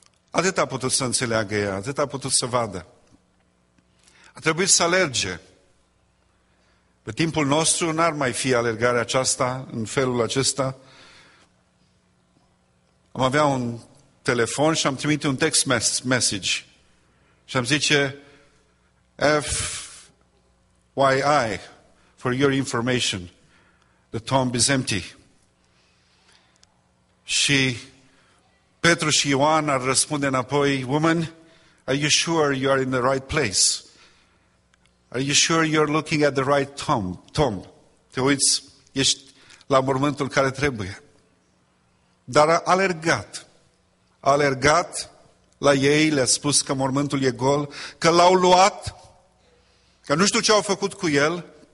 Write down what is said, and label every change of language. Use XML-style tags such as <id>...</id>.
<ro>Atât a putut să înțeleagă ea, atât a putut să vadă. A trebuit să alerge. Pe timpul nostru n-ar mai fi alergarea aceasta, în felul acesta. Am avea un telefon și am trimis un text message. Și am zice,</ro> <en>FYI, for your information, the tomb is empty.</en> <ro>Și Petru și Ioan ar răspunde înapoi,</ro> <en>woman, are you sure you are in the right place? Are you sure you're looking at the right tomb?</en> <ro>Tomb, te uiți, ești la mormântul care trebuie. Dar a alergat. A alergat la ei, le-a spus că mormântul e gol, că l-au luat, că nu știu ce au făcut cu el.</ro>